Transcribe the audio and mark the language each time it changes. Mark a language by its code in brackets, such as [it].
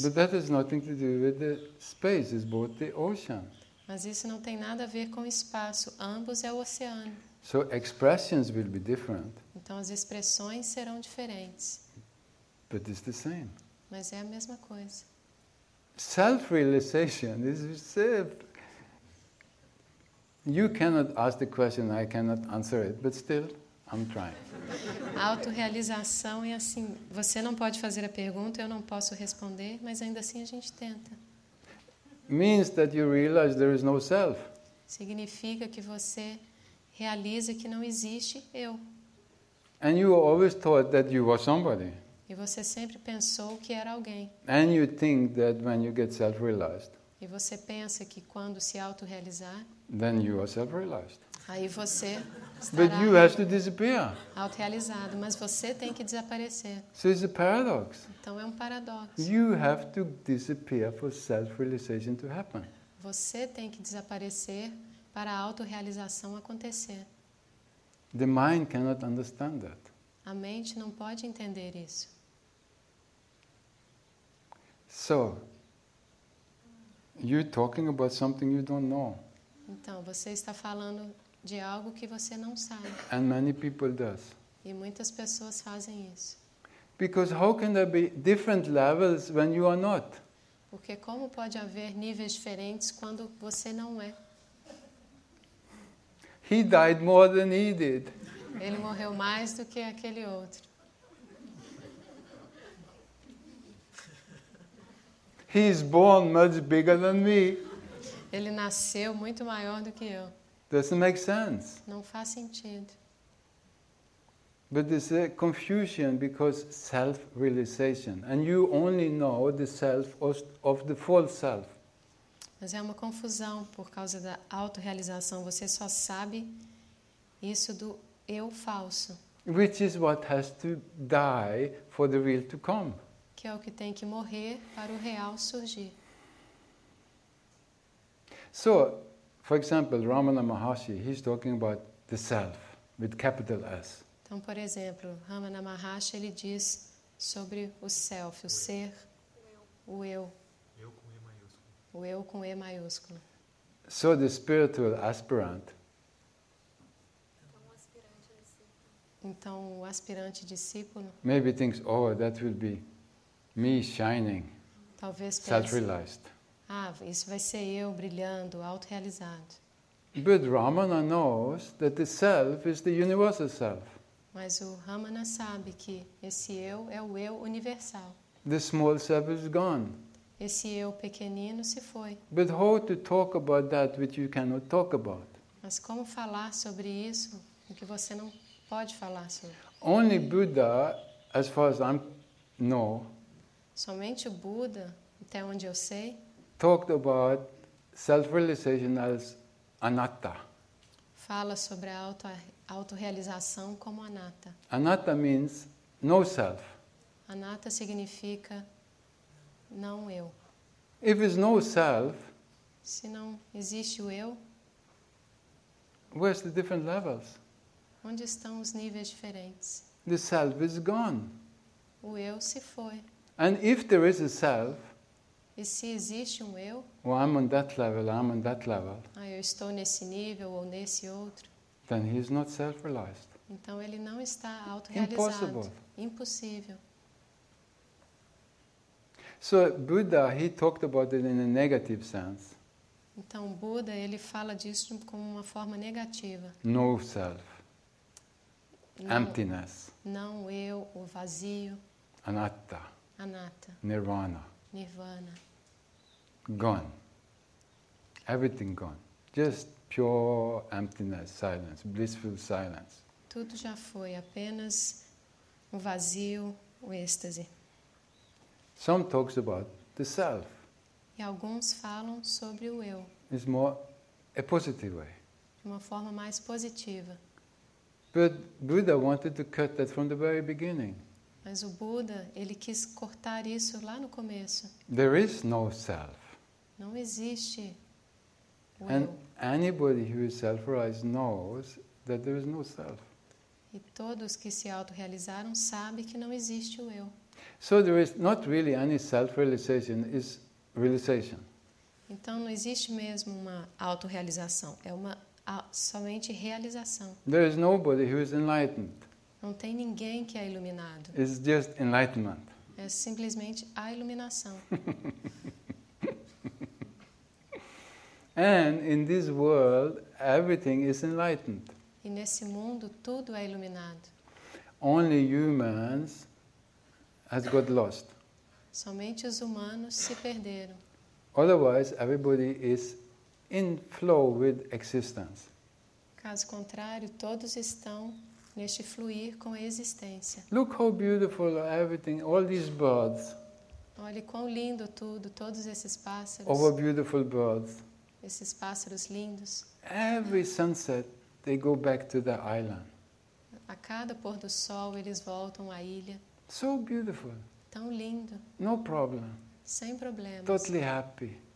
[en] But that has nothing to do with the space, it's both the ocean. [pt] Mas isso não tem nada a ver com o espaço, ambos é o oceano. [en] So expressions will be different. [pt] Então as expressões serão diferentes. [en] But it's the same. [pt] Mas é a mesma coisa. [en] Self-realization is safe. You cannot ask the question, I cannot answer it, but still, I'm trying. [pt] Autorrealização é assim, você não pode fazer a pergunta, eu não posso responder, mas ainda assim a gente tenta. [en] means that you realize there is no self. [pt] Significa que você realiza que não existe eu. [en] And you always thought that you were somebody. [pt] E você sempre pensou que era alguém. [en] And you think that when you get self-realized. [pt] E você pensa que quando se auto-realizar. [en] Then you are self-realized. [pt] Aí você [en] But you have to disappear. [pt] Auto-realizado, mas você tem que desaparecer. [en] So it's a paradox. [pt] Então é um paradoxo. [en] You have to disappear for self-realization to happen. [pt] Você tem que desaparecer para a auto-realização acontecer. [en] The mind cannot understand that. [pt] A mente não pode entender isso. [en] So, you're talking about something you don't know. [pt] Então, você está falando de algo que você não sabe. [en] And many people does. [pt] E muitas pessoas fazem isso. [en] Because how can there be different levels when you are not? [pt] Porque como pode haver níveis diferentes quando você não é? [en] He died more than he did. [pt] Ele morreu mais do que aquele outro. [en] He is born much bigger than me. [pt] Ele nasceu muito maior do que eu. [en] Doesn't make sense. [pt] Não faz sentido. [en] But there's a confusion because self-realization, and you only know the self of the false self. [pt] Mas é uma confusão por causa da auto-realização. Você só sabe isso do eu falso. [en] Which is what has to die for the real to come. [pt] Que é o que tem que morrer para o real surgir. [en] So, for example, Ramana Maharshi, he's talking about the self with capital S. [pt] Então, por exemplo, Ramana Maharshi, ele diz sobre o self, o ser, o eu. O eu com E maiúsculo. [en] So the spiritual aspirant. [pt] Então o aspirante discípulo. [en] Maybe thinks, oh, that will be me shining. [pt] Talvez pense. [en] Self-realized. [pt] Ah, isso vai ser eu brilhando, auto-realizado. [en] But Ramana knows that the self is the universal self. [pt] Mas o Ramana sabe que esse eu é o eu universal. [en] The small self is gone. [pt] Esse eu pequenino se foi. [en] But how to talk about that which you cannot talk about? [pt] Mas como falar sobre isso o que você não pode falar sobre? [en] Only Buddha, as far as I know. [pt] Somente o Buda, até onde eu sei. [en] Talked about self-realization as anatta. [pt] Fala sobre a auto-realização como anatta. [en] Anatta means no self. [pt] Anatta significa não eu. [en] If there's no self, [pt] se não existe o eu, [en] where's the different levels? [pt] Onde estão os níveis diferentes? [en] The self is gone. [pt] O eu se foi. [en] And if there is a self, [pt] e se existe um eu, [en] well, I'm on that level, I'm on that level. [pt] Ah, eu estou nesse nível ou nesse outro. [en] Then he is not self-realized. [pt] Então ele não está auto-realizado. [en] Impossible. [pt] Impossível. [en] So Buddha, he talked about it in a negative sense. [pt] Então Buda, ele fala disso como uma forma negativa. [en] No self. [pt] Não, [en] emptiness. [pt] Não eu, o vazio. [en] Anatta. [pt] Anatta. [en] Nirvana. [pt] Nirvana. [en] Gone. Everything gone. Just pure emptiness, silence, blissful silence. [pt] Tudo já foi, apenas o vazio, o êxtase. [en] Some talks about the self. [pt] E alguns falam sobre o eu. [en] It's more a positive way. [pt] De uma forma mais positiva. [en] But Buddha wanted to cut that from the very beginning. [pt] Mas o Buda, ele quis cortar isso lá no começo. [en] There is no self. [pt] Não existe o [en] And [pt] eu. [en] Anybody who is self-realized knows that there is no self. [pt] E todos que se auto-realizaram sabem que não existe o eu. [en] So there is not really any self-realization, it's realization. [pt] Então não existe mesmo uma auto-realização, é uma somente realização. [en] There is nobody who is enlightened. [pt] Não tem ninguém que é iluminado. [en] It's just enlightenment. [pt] É simplesmente a iluminação. [en] And in this world, everything is enlightened. [pt] E nesse mundo, tudo é iluminado. [en] Only humans has got lost. [pt] Somente os humanos se perderam. [en] Otherwise, everybody is in flow with existence. [pt] Caso contrário, todos estão neste fluir com a existência. [en] Look how beautiful everything, all these birds. [pt] Olhe quão lindo tudo, todos esses pássaros. [en] All the beautiful birds. [pt] Esses pássaros lindos. [en] Every sunset, they go back to the island. [pt] A cada pôr do sol, eles voltam à ilha. [en] So beautiful. [pt] Tão lindo. [en] No problem. [pt] Sem problemas. [en] Totally happy.